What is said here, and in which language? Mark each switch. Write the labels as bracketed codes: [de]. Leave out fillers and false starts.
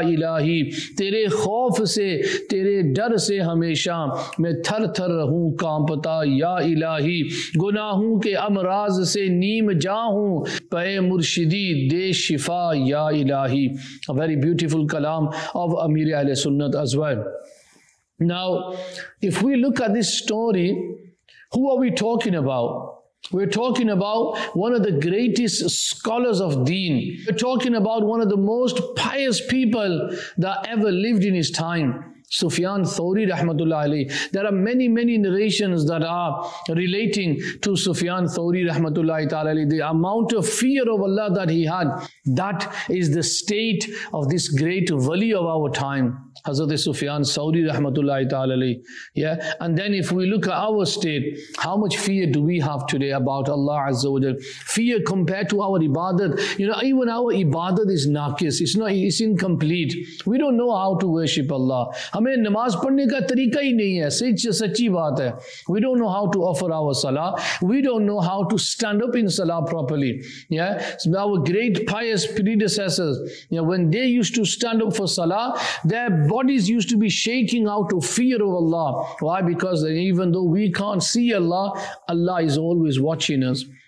[ur] الہی تیرے خوف سے تیرے ڈر سے ہمیشہ میں تھر تھر رہوں کانپتا یا الہی گناہوں کے امراض سے نیم جا ہوں پے مرشدی دے شفا یا الہی. [en] A very beautiful kalam of Amir Ahl Sunnat as well. Now if we look at this story, who are we talking about? We're talking about one of the greatest scholars of deen. We're talking about one of the most pious people that ever lived in his time. Sufyan Thawri rahmatullahi alayhi. There are many, many narrations that are relating to Sufyan Thawri rahmatullahi ta'ala alayhi. The amount of fear of Allah that he had, that is the state of this great wali of our time. Hazrat Sufyan Thawri rahmatullahi ta'ala alayhi. Yeah. And then if we look at our state, how much fear do we have today about Allah Azza wa Jal? Fear compared to our ibadat. You know, even our ibadat is naqis. It's incomplete. We don't know how to worship Allah. [ur] ہمیں نماز پڑھنے کا طریقہ ہی نہیں ہے. سچی بات ہے. [en] We don't know how to offer our salah. We don't know how to stand up in salah properly. Yeah. So our great pious predecessors, yeah, when they used to stand up for salah, their bodies used to be shaking out of fear of Allah. Why? Because even though we can't see Allah, Allah is always watching us.